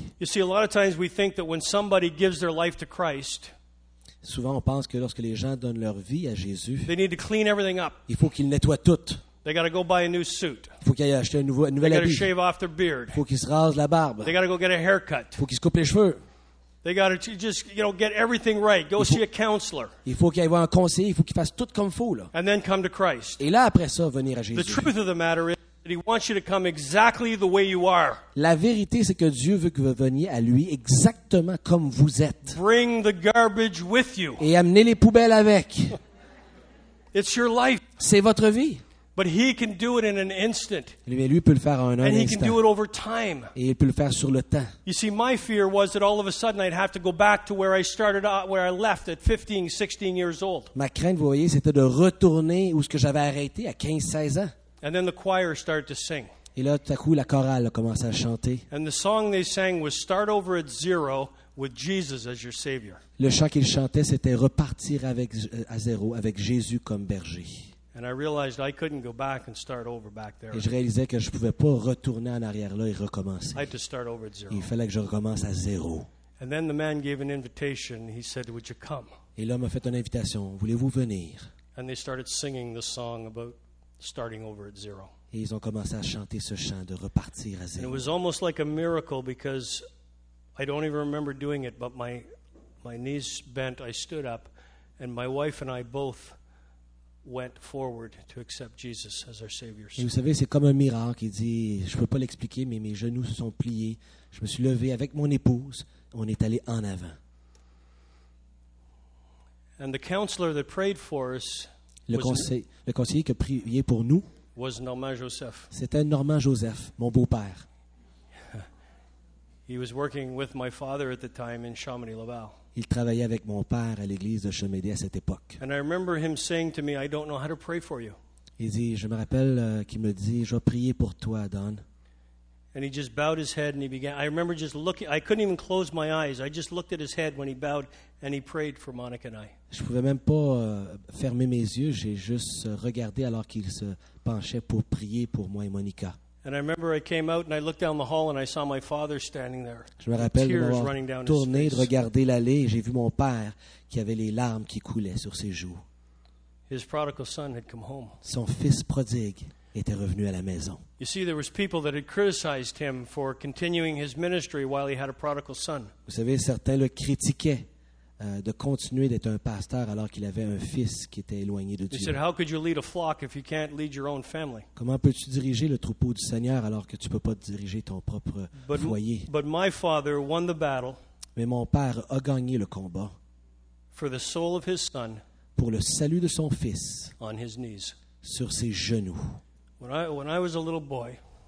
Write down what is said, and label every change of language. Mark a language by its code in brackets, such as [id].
[en] You see, a lot of times we think that when somebody gives their life to Christ, [fr] souvent on pense que lorsque les gens donnent leur vie à Jésus, [en] they need to clean everything up. [fr] Il faut qu'ils nettoient tout. [en] They got to go buy a new suit. [fr] Il faut qu'ils aillent acheter un nouvel habit. [en] They got to shave off their beard. [fr] Il faut qu'ils se rasent la barbe. [en] They got to go get a haircut. [fr] Il faut qu'ils se coupent les cheveux. [en] They got to just, you know, get everything right. Go see a counselor. [fr] Il faut qu'il aille voir un conseiller. Il faut qu'ils fassent tout comme faut là. [en] And then come to Christ. [fr] Et là après ça, venir à Jésus. [en] The truth of the matter is. He wants you to come exactly the way you are. [fr] La vérité, c'est que Dieu veut que vous veniez à lui exactement comme vous êtes. [en] Bring the garbage with you. [fr] Et amenez les poubelles avec. [en] It's your life. [fr] C'est votre vie. [en] But he can do it in an instant. [fr] Mais lui peut le faire en un instant. [en] And he can do it over time. [fr] Et il peut le faire sur le temps. [en] You see, my fear was that all of a sudden I'd have to go back to where I started, where I left at 15, 16 years old. [fr] Ma crainte, vous voyez, c'était de retourner où ce que j'avais arrêté à 15, 16 ans. [en] And then the choir started to sing. [fr] Et là, tout à coup, la chorale a commencé à chanter. [en] And the song they sang was "Start Over at Zero with Jesus as Your Savior." [fr] Le chant qu'ils chantaient, c'était repartir avec à zéro avec Jésus comme berger. [en] And I realized I couldn't go back and start over back there. [fr] Et je réalisais que je pouvais pas retourner en arrière là et recommencer. [en] I had to start over at zero. [fr] Il fallait que je recommence à zéro. [en] And then the man gave an invitation. He said, "Would you come?" [fr] Et l'homme a fait une invitation. Voulez-vous venir? [en] And they started singing the song about. Starting over at zero. [fr] Et ils ont commencé à chanter ce chant de repartir à zéro. [en] And it was almost like a miracle because I don't even remember doing it, but my knees bent, I stood up, and my wife and I both went forward to accept Jesus as our Savior. [fr] Et vous savez, c'est comme un miracle. Il dit, je peux pas l'expliquer, mais mes genoux se sont pliés. Je me suis levé avec mon épouse. On est allé en avant. [en] And the counselor that prayed for us, [fr] le conseiller qui a prié pour nous, [en] was Normand Joseph. [fr] C'était Normand Joseph, mon beau-père. [en] He was working with my father at the time in Chamonix-Laval. [fr] Il travaillait avec mon père à l'église de Chamédé à cette époque. [en] And I remember him saying to me, I don't know how to pray for you. [fr] Il dit, je me rappelle qu'il me dit, je vais prier pour toi, Don. [en] And he just bowed his head and he began. I remember just looking. I couldn't even close my eyes. I just looked at his head when he bowed and he prayed for Monica and I. [fr] Je pouvais même pas fermer mes yeux. J'ai juste regardé alors qu'il se penchait pour prier pour moi et Monica. [en] And I remember I came out and I looked down the hall and I saw my father standing there. [fr] Je me rappelle m'avoir tourné, de regarder l'allée, et j'ai vu mon père qui avait les larmes qui coulaient sur ses joues. [en] His prodigal son had come home. [fr] Son fils prodigue était revenu à la maison. [en] You see, there was people that had criticized him for continuing his ministry while he had a prodigal son. [fr] Vous savez, certains le critiquaient de continuer d'être un pasteur alors qu'il avait un fils qui était éloigné de Dieu. [en] He said, "How could you lead a flock if you can't lead your own family?" [fr] Comment peux-tu diriger le troupeau du Seigneur alors que tu peux pas diriger ton propre foyer? [en] But my father won the battle. [fr] Mais mon père a gagné le combat. [en] For the soul of his son. [fr] Pour le salut de son fils. [en] On his knees. [fr] Sur ses genoux. [en] When I was a little boy,